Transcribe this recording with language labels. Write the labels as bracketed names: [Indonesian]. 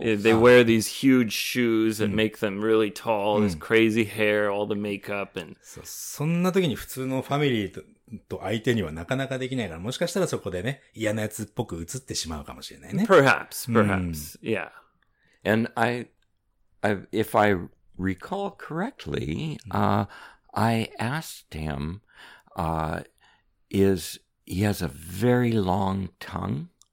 [English] Yeah, they wear these huge shoes and make them really tall. His crazy hair, all the makeup. And... [Japanese] そう、そんな時に普通のファミリーと相手にはなかなかできないから、もしかしたらそこでね、嫌なやつっぽく映ってしまうかもしれないね。 [English] Perhaps. Yeah. And if I recall correctly, I asked him, he has a very long tongue.